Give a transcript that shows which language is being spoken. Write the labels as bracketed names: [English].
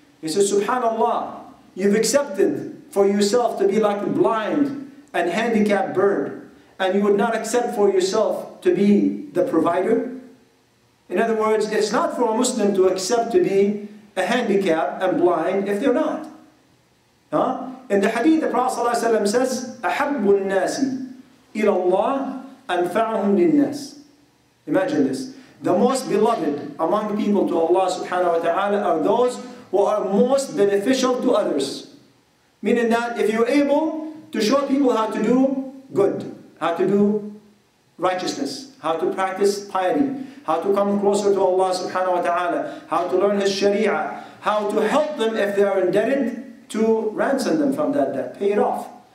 [English] He said, subhanAllah, you've accepted for yourself to be like a blind and handicapped bird, and you would not accept for yourself to be the provider. In other words, it's not for a Muslim to accept to be a handicapped and blind if they're not. Huh? In the hadith, the Prophet ﷺ says, [Arabic] أَحَبُّ النَّاسِ إِلَى اللَّهِ أَنْفَعُهُمْ لِلنَّاسِ. [English] Imagine this. The most beloved among people to Allah subhanahu wa ta'ala are those who are most beneficial to others. Meaning that if you're able to show people how to do good, how to do righteousness, how to practice piety, how to come closer to Allah subhanahu wa ta'ala, how to learn His sharia, how to help them if they are indebted, to ransom them from that debt, pay it off.